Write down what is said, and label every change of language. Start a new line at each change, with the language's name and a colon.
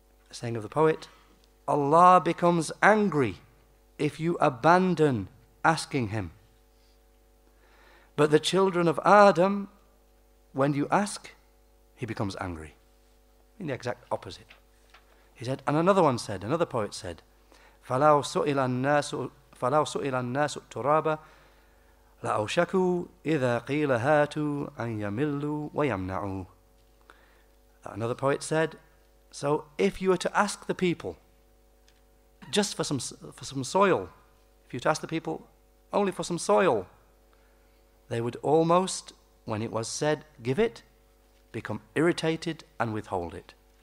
English: Saying of the poet, Allah becomes angry if you abandon asking him. But the children of Adam, when you ask, he becomes angry. In the exact opposite. He said, and another one said, another poet said,
Arabic: فَلَوْ سُئِلَ النَّاسُ تُرَابَ لَأَوْشَكُوا إِذَا قِيلَ هَاتُوا أَنْ يَمِلُّوا وَيَمْنَعُوا.
English: Another poet said, so if you were to ask the people, just for some soil. If you'd ask the people, only for some soil, they would almost, when it was said, give it, become irritated and withhold it.